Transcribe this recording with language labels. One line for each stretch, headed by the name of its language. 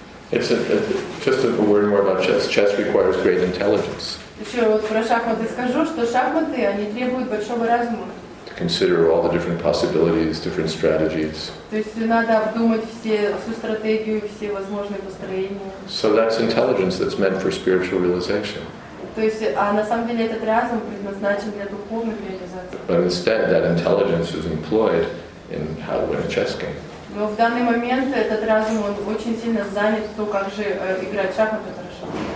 English: It's just a word more about chess. Chess requires great intelligence.
Russian: Еще вот про шахматы скажу, что шахматы, они требуют большого разума.
English: To consider all the different possibilities, different strategies.
Russian: То есть надо обдумать всю стратегию, все возможные построения.
English: So that's intelligence that's meant for spiritual realization.
Russian: То есть, а на самом деле этот разум предназначен для духовной реализации.
English: But instead, that intelligence is employed in how to win a chess game.
Russian: Но в данный момент этот разум он очень сильно занят в том, как же играть в шахматы хорошо.